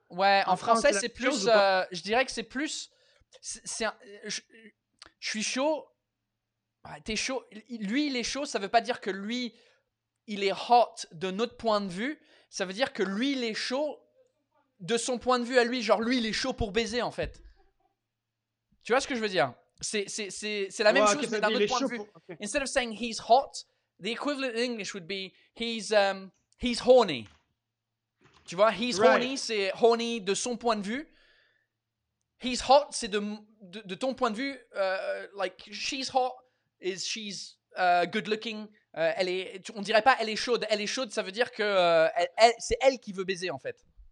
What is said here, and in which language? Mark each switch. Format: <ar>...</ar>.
<fr>Ouais, en français, c'est plus, je dirais que c'est plus, je suis chaud, T'es chaud. Lui, il est chaud. Ça ne veut pas dire que lui, il est hot de notre point de vue. Ça veut dire que lui, il est chaud de son point de vue à lui. Genre, lui, il est chaud pour baiser, en fait. Tu vois ce que je veux dire? C'est la même chose, mais d'un autre point de vue. Okay.</fr> <en>Instead of saying he's hot, the equivalent in English would be he's horny.</en> <fr>Tu vois,</fr> <en>he's right.</en> <fr>Horny, c'est horny de son point de vue.</fr> <en>He's hot,</en> <fr>c'est de ton point de vue.</fr> <en>Like, she's hot, is she's good looking.</en> <fr>On dirait pas elle est chaude. Elle est chaude, ça veut dire que c'est elle qui veut baiser, en fait.</fr>